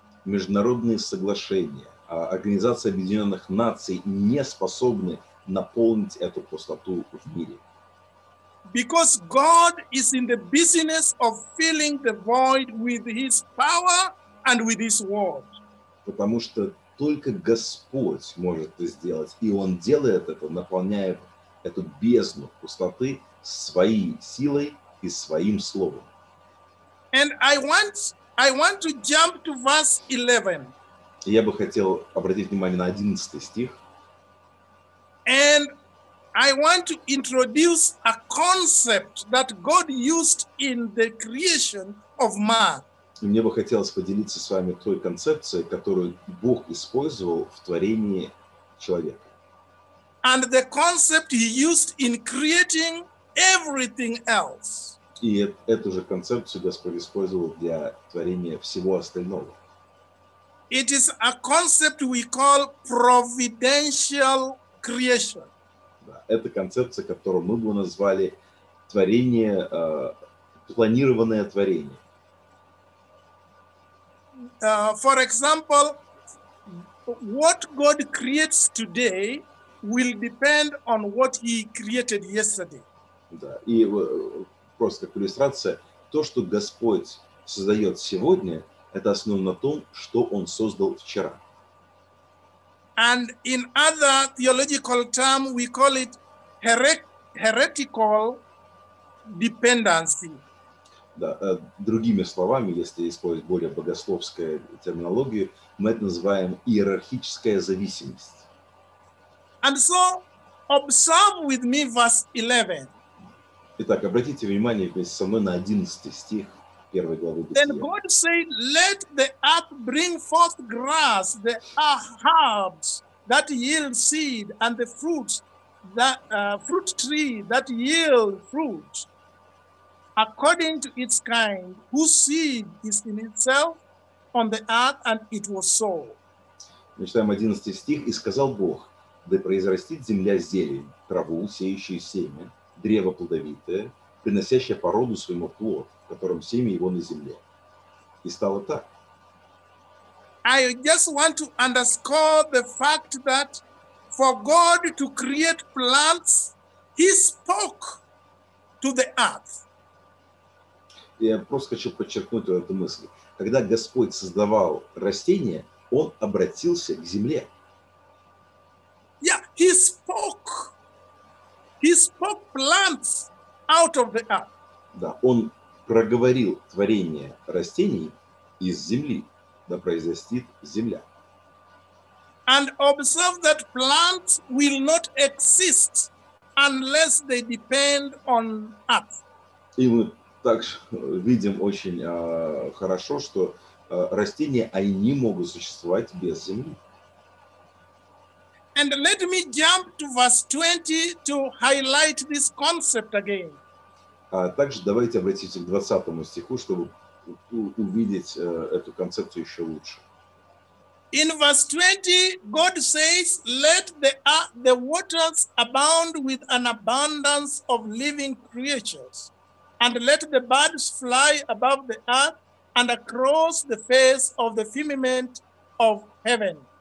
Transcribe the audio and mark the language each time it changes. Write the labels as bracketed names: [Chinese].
[Russian] Международные соглашения, Организация Объединенных Наций не способны наполнить эту пустоту в мире. [English] Because God is in the business of filling the void with His power and with His Word. [Russian] Потому что только Господь может это сделать. И Он делает это, наполняя эту бездну пустоты своей силой и своим словом. [English] And I want to jump to verse 11. [Russian] Я бы хотел обратить внимание на 11 стих. [English] And I want to introduce a concept that God used in the creation of man. [Russian] И мне бы хотелось поделиться с вами той концепцией, которую Бог использовал в творении человека. [English] And the concept he used in creating everything else. [Russian] И эту же концепцию Господь использовал для творения всего остального. [English] It is a concept we call providential creation. [Russian] Да, это концепция, которую мы бы назвали творение, планированное творение. [English] For example, what God creates today will depend on what He created yesterday. [Russian] Да, и просто как иллюстрация, то, что Господь создает сегодня, это основано на том, что Он создал вчера. [English] And in other theological term, we call it heretical dependency. [Russian] Да, другими словами, если использовать более богословскую терминологию, мы это называем иерархическая зависимость. [English] And so, observe with me verse 11. [Russian] Итак, обратите внимание вместе со мной на 11 стих. [English] Then God said, "Let the earth bring forth grass, the herbs that yield seed, and the fruits that fruit tree that yield fruit, according to its kind, whose seed is in itself on the earth, and it was so." [Russian] Мы читаем 11 стих, и сказал Бог: "Да произрастит земля зелень, траву, сеющую семя, древо плодовитое, приносящее породу своему плод, в котором семя его на земле." И стало так. [English] I just want to underscore the fact that for God to create plants, He spoke to the earth. [Russian] Я просто хочу подчеркнуть вот эту мысль. Когда Господь создавал растения, Он обратился к земле. [English] Yeah, He spoke. He spoke plants out of the earth. [Russian] Да, Он проговорил творение растений из земли, да произрастит земля. [English] And observe that plants will not exist unless they depend on earth. [Russian] И мы также видим очень хорошо, что растения, они не могут существовать без земли. [English] And let me jump to verse 20 to highlight this concept again. [Russian] А также давайте обратимся к 20 стиху, чтобы увидеть эту концепцию еще лучше. [English] In verse 20, God says, "Let the waters abound with an abundance of living creatures, and let the birds fly above the earth and across the face of the firmament of heaven."